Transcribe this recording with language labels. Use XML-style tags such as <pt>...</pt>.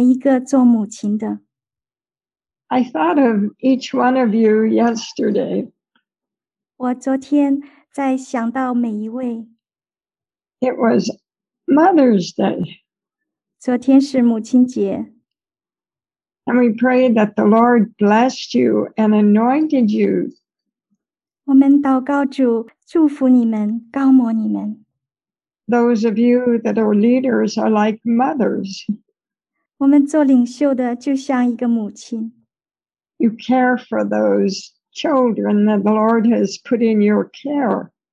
<zh>我想要祝福每一个做母亲的。I</zh> <en>thought of each one of you yesterday.</en> <zh>我昨天在想到每一位。It</zh> <en>was Mother's Day.</en> <zh>昨天是母亲节。</zh> <en>And we pray that the Lord blessed you and anointed you.</en> <zh>我们祷告主祝福你们，高摩你们。</zh> <en>Those of you that are leaders are like mothers.</en> <zh>我们做领袖的就像一个母亲。</zh> <en>You care for those children that the Lord has put in your care.</en>